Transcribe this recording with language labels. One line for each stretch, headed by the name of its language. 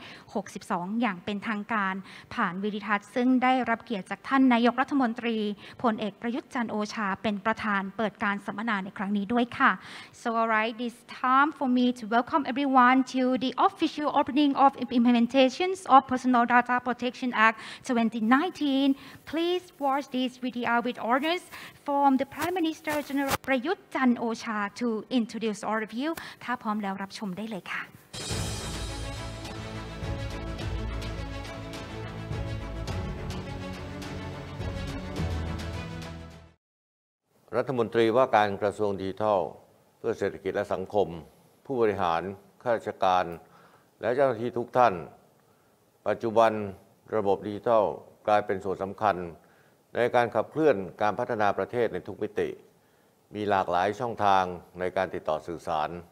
Thai: 2562อย่างเป็นทางการผ่านวิดิทัศน์ซึ่งได้รับเกียรติจากท่านนายกรัฐมนตรีพลเอกประยุทธ์จันทร์โอชาเป็นประธานเปิดการสัมมนาในครั้งนี้ด้วยค่ะ
English: So alright this time for me to welcome everyone to theOfficial opening of implementations of Personal Data Protection Act 2019. Please watch this video with honors from the Prime Minister General Prayut Chan Ocha to introduce all of you.
Thai: ถ้าพร้อมแล้วรับชมได้เลยค่ะ รัฐมนตรีว่าการกระทรวงดิจิทัลเพื่อเศรษฐกิจและสังคมผู้บริหารข้าราชการและเจ้าหน้าที่ทุกท่านปัจจุบันระบบดิจิทัลกลายเป็นส่วนสำคัญในการขับเคลื่อนการพัฒนาประเทศในทุกมิติมีหลากหลายช่องทางในการติดต่อสื่อสาร